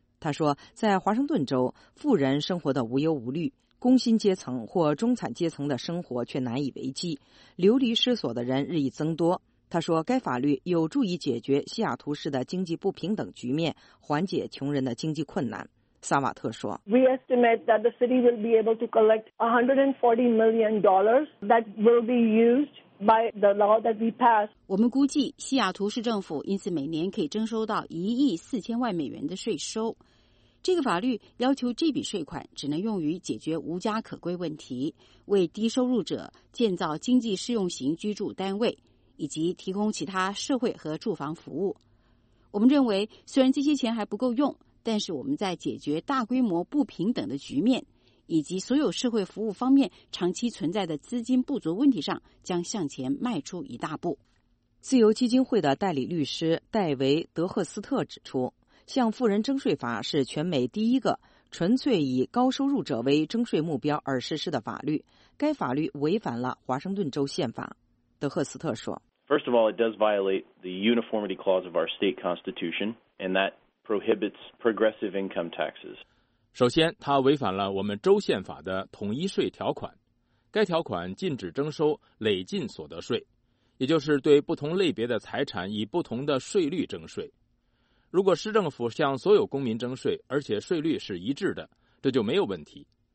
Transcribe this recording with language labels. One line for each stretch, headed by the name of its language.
Chinese: 他说，在华盛顿州，富人生活的无忧无虑，工薪阶层或中产阶层的生活却难以为继，流离失所的人日益增多。他说，该法律有助于解决西雅图市的经济不平等局面，缓解穷人的经济困难。萨瓦特说，
English: We estimate that the city will be able to collect $140 million that will be used by the law that we pass.
Chinese: 我们估计西雅图市政府因此每年可以征收到1亿4000万美元的税收。这个法律要求这笔税款只能用于解决无家可归问题，为低收入者建造经济适用型居住单位，以及提供其他社会和住房服务。我们认为虽然这些钱还不够用，但是我们在解决大规模不平等的局面以及所有社会服务方面长期存在的资金不足问题上将向前迈出一大步。自由基金会的代理律师戴维·德赫斯特指出，向富人征税法是全美第一个纯粹以高收入者为征税目标而实施的法律，该法律违反了华盛顿州宪法。德赫斯特说，
English: First of all, it does violate the uniformity clause of our state constitution, and that prohibits progressive income taxes.
Chinese: 首先，它违反了我们州宪法的统一税条款，该条款禁止征收累进所得税，也就是对不同类别的财产以不同的税率征税。如果市政府向所有公民征税，而且税率是一致的，这就没有问题。